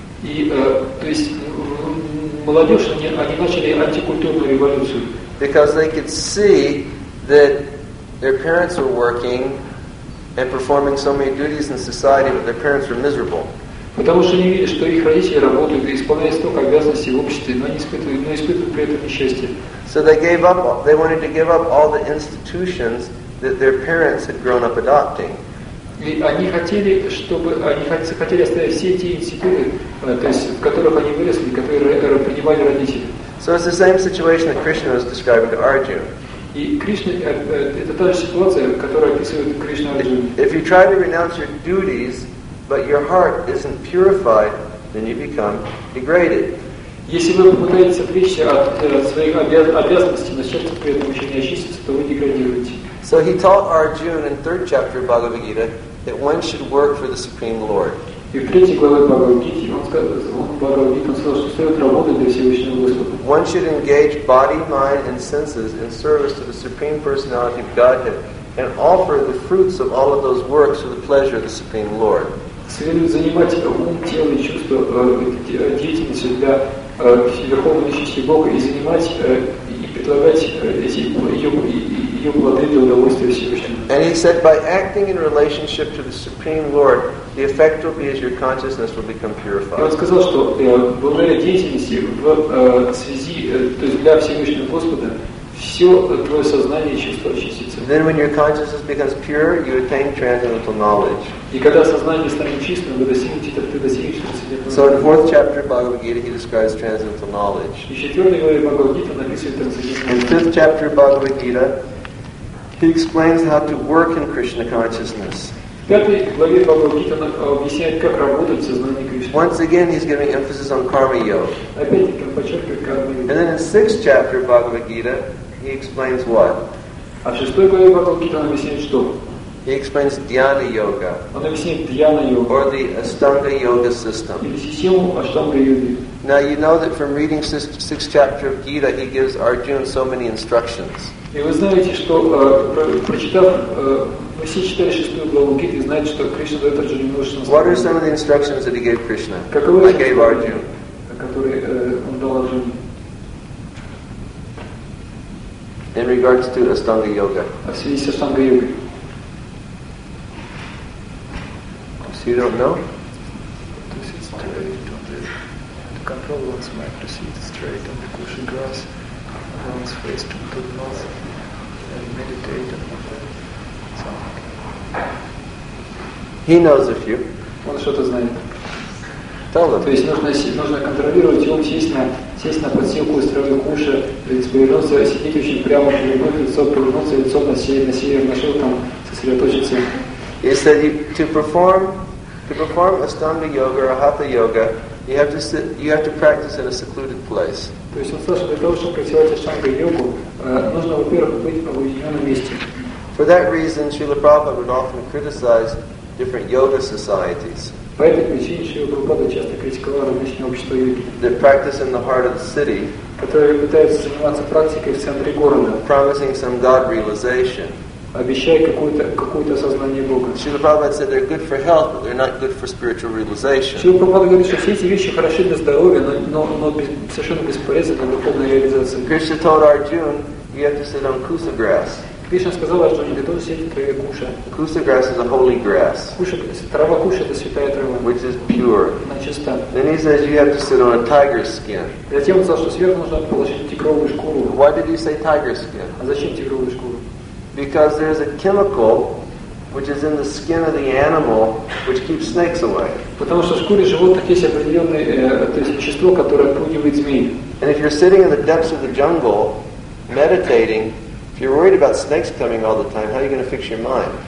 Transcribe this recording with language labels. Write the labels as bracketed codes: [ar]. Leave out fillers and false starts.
[ru] И, то есть, молодежь, они начали антикультурную революцию. [en] Because they could see that their parents were working and performing so many duties in society, but their parents were miserable. [ru] Потому что они видели, что их родители работают и исполняют столько обязанностей в обществе, но испытывают при этом несчастье. [en] So they gave up. They wanted to give up all the institutions that their parents had grown up adopting. [ru] И они хотели оставить все те институты, то есть, в которых они выросли, которые принимали родители. [en] So it's the same situation that Krishna was describing to Arjuna. [ru] И Кришна, это та же ситуация, которую описывает Кришна Арджуна. [en] If you try to renounce your duties, but your heart isn't purified, then you become degraded. [ru] Если вы пытаетесь отречься от своих обязанностей, но сердце при этом еще не очистится, то вы деградируете. [en] So he taught Arjuna in the third chapter of Bhagavad Gita that one should work for the Supreme Lord. [ru] И в третьей главе Бхагавад Гиты он сказал, что стоит работать для Всевышнего Господа. [en] One should engage body, mind, and senses in service to the Supreme Personality of Godhead and offer the fruits of all of those works for the pleasure of the Supreme Lord. [ru] Следует занимать ум, тело и чувства деятельностью для Верховной Личности Бога и занимать и предлагать эти ее плоды для удовольствия Всевышнего. [en] And he said, by acting in relationship to the Supreme Lord, the effect will be as your consciousness will become purified. [ru] Он сказал, что благодаря деятельности в связи, то есть для Всевышнего Господа, все твое сознание и чувство очистится. [en] Then when your consciousness becomes pure, you attain transcendental knowledge. [ru] И когда сознание станет чистым, вы достигнете трансцендентного знания. [en] So in fourth chapter of Bhagavad Gita, he describes transcendental knowledge. [ru] И четвертой главе Бхагавад Гиты он описывает трансцендентное. [en] In fifth chapter of Bhagavad Gita, he explains how to work in Krishna consciousness. [ru] В пятой главе Бхагавад Гиты он объясняет, как работать в сознании Кришны. [en] Once again, he's giving emphasis on karma-yoga. [ru] Опять-таки, он подчеркивает карму-йогу. [en] And then in sixth chapter of Bhagavad Gita, he explains what? [ru] А в шестой главе Бхагавад Гиты он объясняет что? [en] He explains dhyana-yoga. [ru] Он объясняет dhyana-йогу. [en] Or the astanga-yoga system. [ru] Или систему астанга-йоги. [en] Now you know that from reading sixth chapter of Gita, he gives Arjuna so many instructions. [ru] И вы знаете, что прочитав мы все читали шестую главу Гиты, знаете, что Кришна дает Арджуне множество наставлений. [en] What are some of the instructions that he gave Krishna? [ru] Каковы же которые он дал Арджуне? [en] In regard to Arjuna. regards to Ashtanga Yoga. [ru] А в связи с Ashtanga Yoga. [en] So you don't know? This is straight. The control wants my proceed straight on the cushion grass. One's face to the north and meditate on the sun. He knows a few. [ru] Он что-то знает. [en] Tell them. [ru] То есть нужно контролировать, и он сесть на подстилку из травы куша, повернуться, а сидеть очень прямо, повернуться лицо на север, на шею, там сосредоточиться. [en] He said to perform Ashtanga Yoga or Hatha Yoga, you have to practice in a secluded place. [ru] То есть он сказал, что для того, чтобы практиковать Ashtanga Yoga, нужно, во-первых, быть в уединенном месте. [en] For that reason, Srila Prabhupada would often criticize different yoga societies. [ru] По этой причине Шрила Прабхупада часто критиковал различные общества йоги. [en] They practice in the heart of the city. [ru] Которые пытаются заниматься практикой в центре города. [en] Promising some god realization. [ru] Обещая какое-то осознание Бога. [en] Шрила Прабхупада said they're good for health, but they're not good for spiritual realization. [ru] Шрила Прабхупада говорит, что все эти вещи хороши для здоровья, но совершенно бесполезны для духовной реализации. [en] Krishna told Arjuna, you have to sit on kusa grass. [ru] Кришна сказала, что не для того, чтобы сидеть в траве куша. [en] Kusa grass is a holy grass. [ru] Трава куша — это святая трава. [en] Which is pure. [ru] Она чиста. [en] Then he says you have to sit on a tiger skin. [ru] Затем он сказал, что сверху нужно положить тигровую шкуру. [en] Why did he say tiger skin? [ru] А зачем тигровую шкуру? [en] Because there is a chemical which is in the skin of the animal which keeps snakes away. [ru] Потому что в шкуре животных есть определенное вещество, которое отпугивает змей. [en] And if you're sitting in the depths of the jungle, meditating, if you're worried about snakes coming all the time, how are you going to fix your mind?